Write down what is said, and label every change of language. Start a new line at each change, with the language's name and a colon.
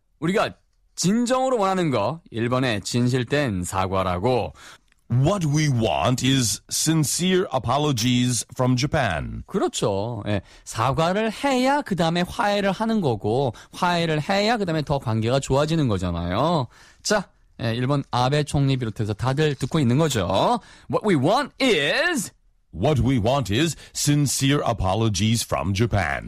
Korean: 우리가 진정으로 원하는 거. 1번에 진실된 사과라고.
English: What we want is sincere apologies from Japan.
Korean: 그렇죠. 예, 사과를 해야 그 다음에 화해를 하는 거고 화해를 해야 그 다음에 더 관계가 좋아지는 거잖아요. 자, 예, 일본 아베 총리 비롯해서 다들 듣고 있는 거죠.
English: What we want is... What we want is sincere apologies from Japan.